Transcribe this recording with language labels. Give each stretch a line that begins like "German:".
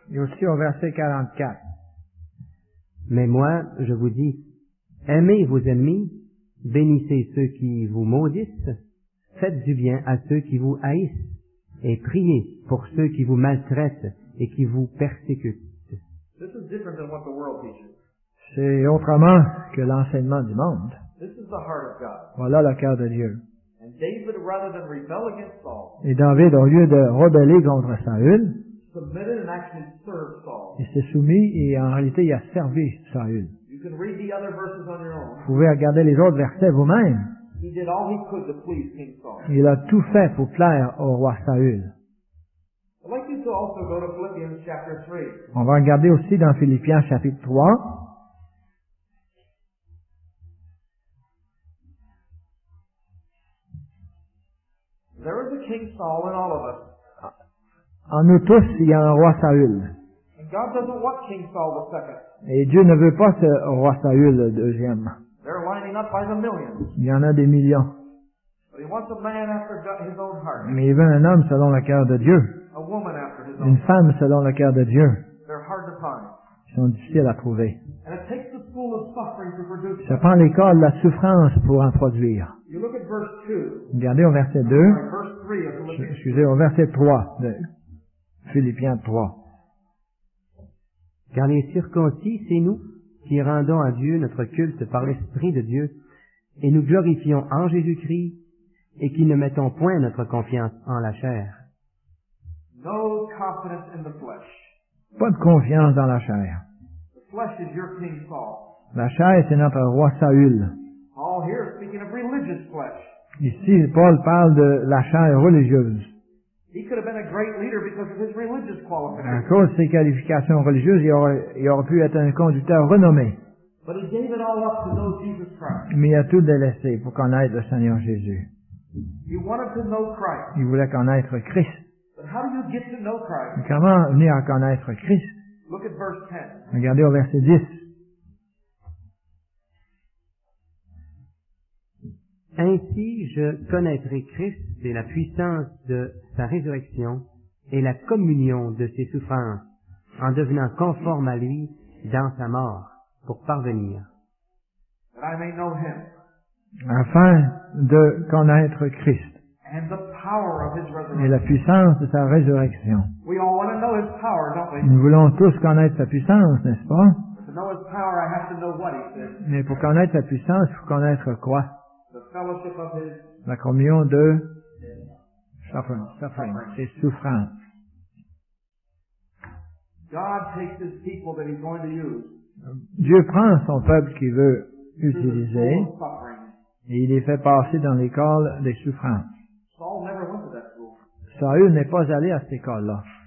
French: Et aussi au verset 44. Mais moi, je vous dis, aimez vos ennemis, bénissez ceux qui vous maudissent, faites du bien à ceux qui vous haïssent, et priez pour ceux qui vous maltraitent et qui vous persécutent.
English: This is different than what the world teaches.
French: C'est autrement que l'enseignement du monde.
English: This is the heart of God.
French: Voilà le cœur de Dieu.
English: And David, rather than rebel against Saul,
French: et David, au lieu de rebeller contre Saül,
English: submitted and actually served Saul.
French: Il s'est soumis et en réalité il a servi Saül.
English: You can read the other verses on your own.
French: Vous pouvez regarder les autres versets vous-même.
English: He did all he could to please King Saul.
French: Il a tout fait pour plaire au roi Saül.
English: I'd like you to also go to Philippians chapter 3.
French: On va regarder aussi dans Philippiens chapitre 3.
English: There is a King Saul in all of us.
French: En nous tous, il y a un roi Saül.
English: And God doesn't want King Saul the second.
French: Et Dieu ne veut pas ce roi Saül le deuxième.
English: They're lining up by the millions.
French: Il y en a des millions.
English: But he wants a man after his own heart.
French: Mais il veut un homme selon le cœur de Dieu.
English: A woman after his own.
French: Une femme selon le cœur de Dieu.
English: They're hard to find.
French: Ils sont difficiles à trouver.
English: And it takes the school of suffering to produce.
French: Ça prend l'école de la souffrance pour en produire.
English: You look at verse 2.
French: Regardez au verset 2.
English: Verse 3 of Philippians.
French: Excusez, au verset 3 de Philippiens 3. Car les circoncis, c'est nous qui rendons à Dieu notre culte par l'Esprit de Dieu, et nous glorifions en Jésus-Christ, et qui ne mettons point notre confiance en la chair.
English: No confidence in the flesh.
French: Pas de confiance dans la chair.
English: The flesh is your King Saul.
French: La chair, c'est notre roi Saül.
English: Paul here speaking of religious flesh.
French: Ici, Paul parle de la chair religieuse.
English: He could have been a great leader because of his religious qualifications.
French: À cause de ses qualifications religieuses, il aurait pu être un conducteur renommé.
English: But he gave it all up to know Jesus Christ.
French: Mais il a tout délaissé pour connaître le Seigneur Jésus.
English: He wanted to know Christ.
French: Il voulait connaître Christ.
English: But how do you get to know Christ?
French: Mais comment venir à connaître Christ?
English: Look at verse 10.
French: Regardez au verset 10. Ainsi, je connaîtrai Christ et la puissance de sa résurrection et la communion de ses souffrances, en devenant conforme à lui dans sa mort pour parvenir.
English: That I may know him.
French: Afin de connaître Christ
English: and the power of his resurrection.
French: Et la puissance de sa résurrection.
English: We all want to know his power, don't we?
French: Nous voulons tous connaître sa puissance, n'est-ce pas?
English: To know his power, I have to know what he said.
French: Mais pour connaître sa puissance, il faut connaître quoi?
English: The fellowship of his...
French: La communion de suffering. Ses souffrances.
English: God takes his people that he's going to use.
French: Dieu prend son peuple qu'il veut utiliser et il les fait passer dans l'école des souffrances.
English: Saul never went to that school.
French: Saül n'est pas allé à cette école-là.